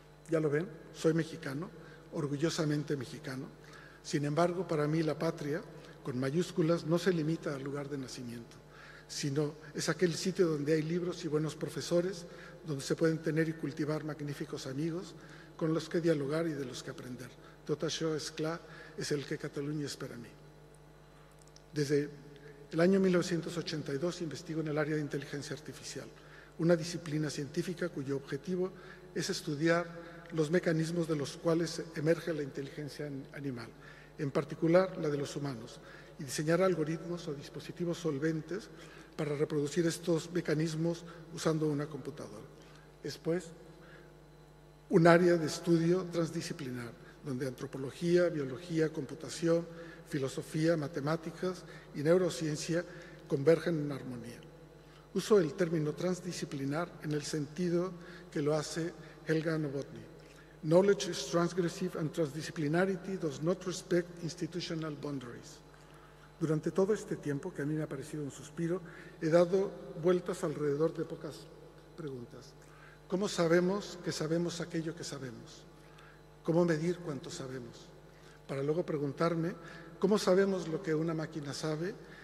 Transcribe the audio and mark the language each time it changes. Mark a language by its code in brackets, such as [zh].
[es] Ya lo ven, soy mexicano, orgullosamente mexicano. Sin embargo, para mí la patria, con mayúsculas, no se limita al lugar de nacimiento, sino es aquel sitio donde hay libros y buenos profesores, donde se pueden tener y cultivar magníficos amigos con los que dialogar y de los que aprender. [ca] Tot això és clar, [es] es el que Cataluña es para mí. Desde el año 1982 investigo en el área de inteligencia artificial, una disciplina científica cuyo objetivo es estudiar los mecanismos de los cuales emerge la inteligencia animal, en particular la de los humanos, y diseñar algoritmos o dispositivos solventes para reproducir estos mecanismos usando una computadora. Es pues un área de estudio transdisciplinar, donde antropología, biología, computación, filosofía, matemáticas y neurociencia convergen en armonía. Uso el término transdisciplinar en el sentido que lo hace Helga Novotny. [en] Knowledge is transgressive and transdisciplinarity does not respect institutional boundaries. [es] Durante todo este tiempo, que a mí me ha parecido un suspiro, he dado vueltas alrededor de pocas preguntas. ¿Cómo sabemos que sabemos aquello que sabemos? ¿Cómo medir cuánto sabemos? Para luego preguntarme, ¿cómo sabemos lo que una máquina sabe?